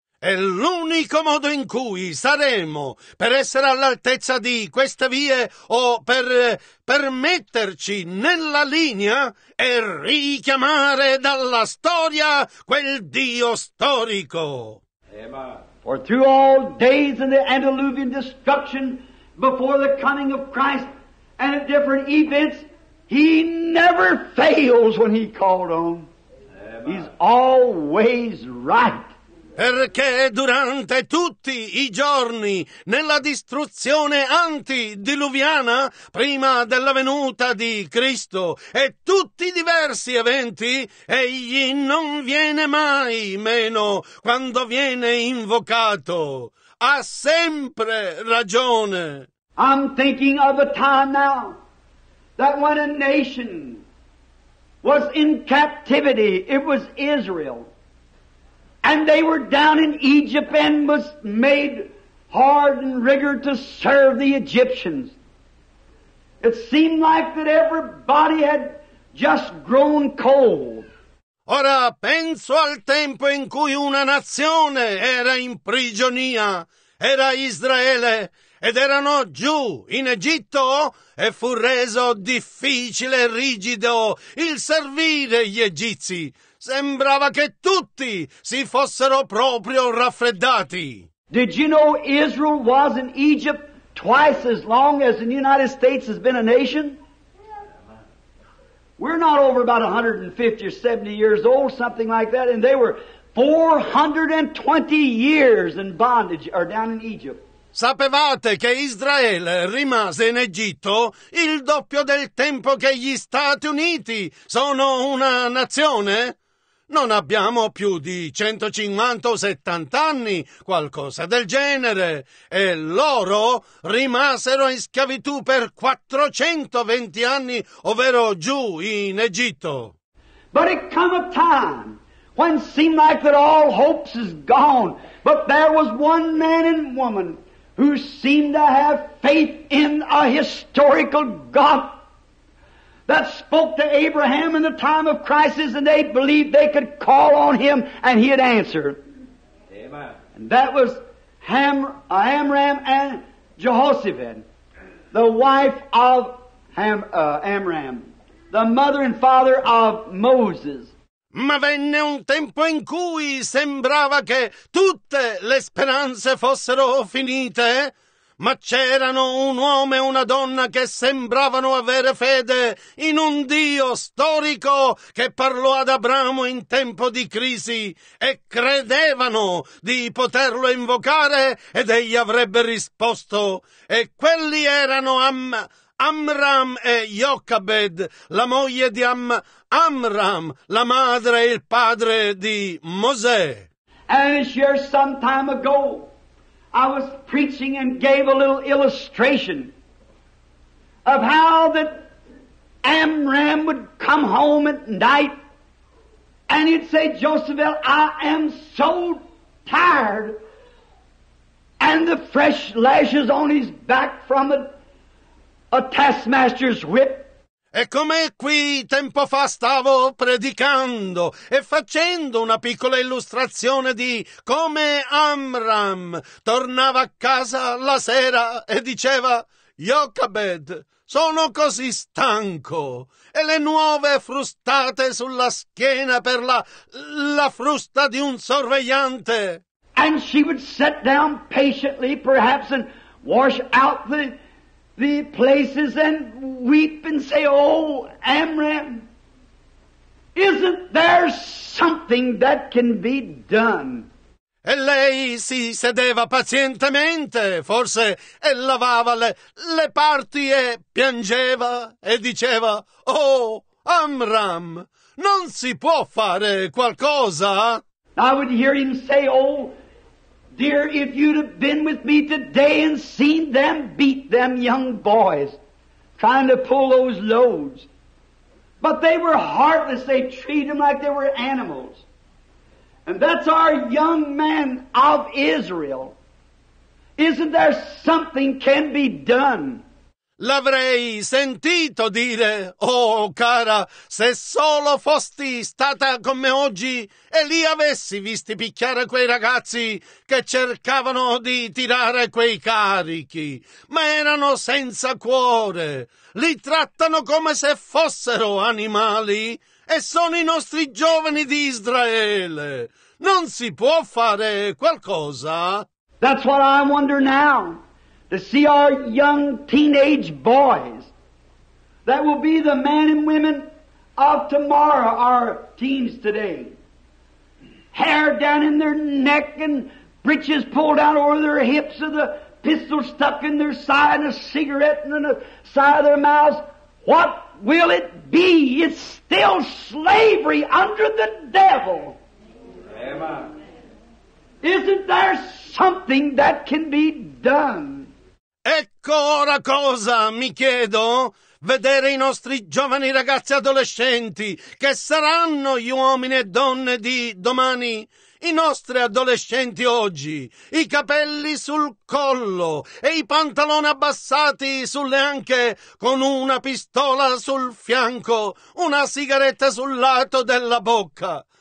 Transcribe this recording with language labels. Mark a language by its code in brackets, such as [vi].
[it] E l'unico modo in cui saremo per essere all'altezza di queste vie o per metterci nella linea è richiamare dalla storia quel Dio storico. [en] For through all days in the antediluvian destruction before the coming of Christ and at different events, he never fails when he called on. He's always right. [it] Perché durante tutti i giorni, nella distruzione antidiluviana, prima della venuta di Cristo, e tutti i diversi eventi, egli non viene mai meno quando viene invocato. Ha sempre ragione. [en] I'm thinking of a time now that when a nation was in captivity, it was Israel. And they were down in Egypt and was made hard and rigor to serve the Egyptians. It seemed like that everybody had just grown cold. [it] Ora penso al tempo in cui una nazione era in prigionia, era Israele, ed erano giù in Egitto, e fu reso difficile e rigido il servire gli Egizi. Sembrava che tutti si fossero proprio raffreddati. [en] Did you know Israel was in Egypt twice as long as the United States has been a nation? We're not over about 150 or 70 years old, something like that. And they were 420 years in bondage, or down in Egypt. [it] Sapevate che Israele rimase in Egitto il doppio del tempo che gli Stati Uniti sono una nazione? Non abbiamo più di 150 o 70 anni, qualcosa del genere. E loro rimasero in schiavitù per 420 anni, ovvero giù in Egitto. [en] But it come a time when seemed like that all hopes is gone, but there was one man and woman who seemed to have faith in a historical God that spoke to Abraham in the time of crisis, and they believed they could call on him and he'd answer. Amen. And that was Amram and Jehoshaphat, the wife of Amram, the mother and father of Moses. [it] Ma venne un tempo in cui sembrava che tutte le speranze fossero finite, ma c'erano un uomo e una donna che sembravano avere fede in un Dio storico che parlò ad Abramo in tempo di crisi e credevano di poterlo invocare ed egli avrebbe risposto. E quelli erano Amram e Jochebed, la moglie di Amram, la madre e il padre di Mosè. [en] And this year, some time ago, I was preaching and gave a little illustration of how that Amram would come home at night and he'd say, Jochebed, I am so tired, and the fresh lashes on his back from the a taskmaster's whip. [it] E come qui tempo fa stavo predicando e facendo una piccola illustrazione di come Amram tornava a casa la sera e diceva, Jochebed, sono così stanco e le nuove frustate sulla schiena per la frusta di un sorvegliante. [en] And she would sit down patiently perhaps and wash out the places and weep and say, oh, Amram, isn't there something that can be done? [it] E lei si sedeva pazientemente, forse, e lavava le parti e piangeva e diceva, oh, Amram, non si può fare qualcosa? [en] I would hear him say, oh, dear, if you'd have been with me today and seen them beat them young boys trying to pull those loads. But they were heartless. They treated them like they were animals. And that's our young man of Israel. Isn't there something can be done? [it] L'avrei sentito dire, oh cara, se solo fosti stata con me oggi e li avessi visti picchiare quei ragazzi che cercavano di tirare quei carichi, ma erano senza cuore, li trattano come se fossero animali e sono i nostri giovani di Israele. Non si può fare qualcosa? [en] That's what I wonder now. To see our young teenage boys that will be the men and women of tomorrow, our teens today, hair down in their neck and breeches pulled out over their hips and the pistol stuck in their side and a cigarette in the side of their mouths. What will it be? It's still slavery under the devil. Amen. Isn't there something that can be done? [it] Ecco ora cosa mi chiedo, vedere i nostri giovani ragazzi adolescenti che saranno gli uomini e donne di domani, i nostri adolescenti oggi, i capelli sul collo e i pantaloni abbassati sulle anche con una pistola sul fianco, una sigaretta sul lato della bocca.